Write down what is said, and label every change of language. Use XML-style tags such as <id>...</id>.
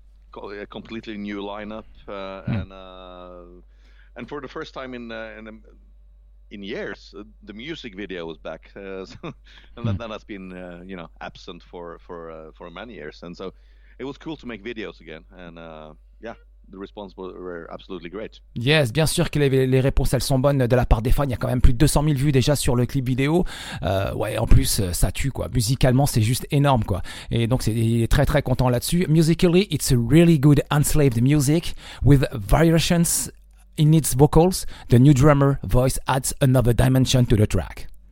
<en>A completely new lineup, and for the first time in years, the music video was back, that has been absent for many years, and so it was cool to make videos again, and the response were absolutely great.</en> <fr>Yes, bien sûr que les réponses elles sont bonnes de la part des fans. Il y a quand même plus de 200 000 vues déjà sur le clip vidéo. Ouais, en plus ça tue quoi. Musicalement c'est juste énorme quoi. Et donc il est très très content là-dessus.</fr> <en>Musically, it's a really good Unslaved music with variations in its vocals. The new drummer voice adds another dimension to the track.</en>